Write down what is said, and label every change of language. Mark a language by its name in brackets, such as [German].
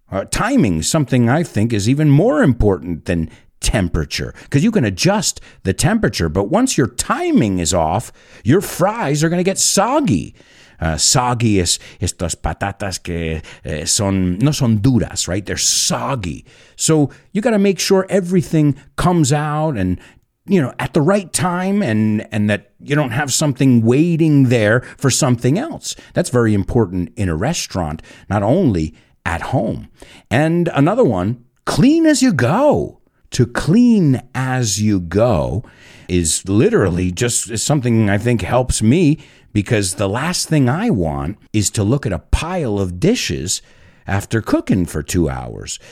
[English] Timing is something I think is even more important than temperature, because you can adjust the temperature, but once your timing is off, your fries are going to get soggy. [Spanish] Soggy es estas patatas que son, no son duras, right? [English] They're soggy. So you got to make sure everything comes out and, you know, at the right time, and that you don't have something waiting there for something else. That's very important in a restaurant, not only at home. And another one, clean as you go. To clean as you go is literally just something I think helps me, because the last thing I want is to look at a pile of dishes after cooking for 2 hours.